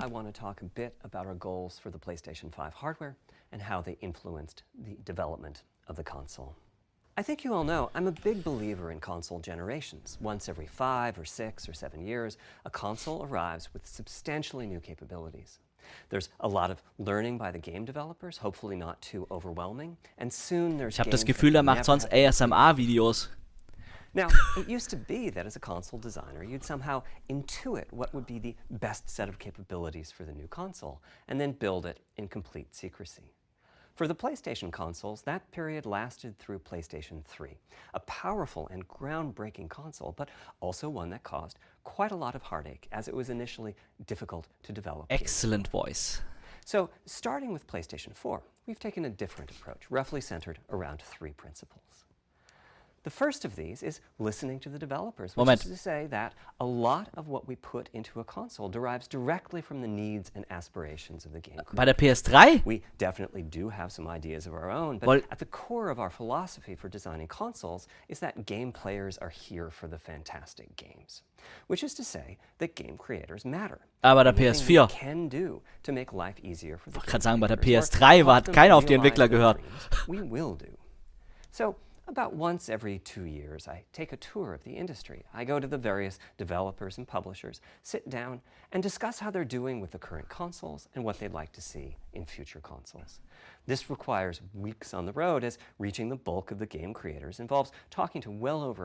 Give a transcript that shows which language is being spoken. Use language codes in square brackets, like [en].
[en] I want to talk a bit about our goals for the PlayStation 5 hardware and how they influenced the development of the console. I think you all know I'm a big believer in console generations. Once every 5 or 6 or 7 years, a console arrives with substantially new capabilities. There's a lot of learning by the game developers, hopefully not too overwhelming, and soon there's [de] Ich habe das Gefühl, er macht sonst ASMR Videos. [en] Now, it used to be that as a console designer, you'd somehow intuit what would be the best set of capabilities for the new console and then build it in complete secrecy. For the PlayStation consoles, that period lasted through PlayStation 3, a powerful and groundbreaking console, but also one that caused quite a lot of heartache as it was initially difficult to develop. Excellent voice. So, starting with PlayStation 4, we've taken a different approach, roughly centered around three principles. The first of these is listening to the developers, which [de] Moment. [en] Is to say that a lot of what we put into a console derives directly from the needs and aspirations of the game. By the PS3? We definitely do have some ideas of our own, but at the core of our philosophy for designing consoles is that game players are here for the fantastic games, which is to say that game creators matter. [de] Aber der PS4. [en] Can do to make life easier for the [de] ich kann sagen, bei der PS3 hat keiner auf die Entwickler gehört. [en] We will do. So, About once every 2 years, I take a tour of the industry. I go to the various developers and publishers, sit down, and discuss how they're doing with the current consoles and what they'd like to see in future consoles. This requires weeks on the road, as reaching the bulk of the game creators involves talking to well over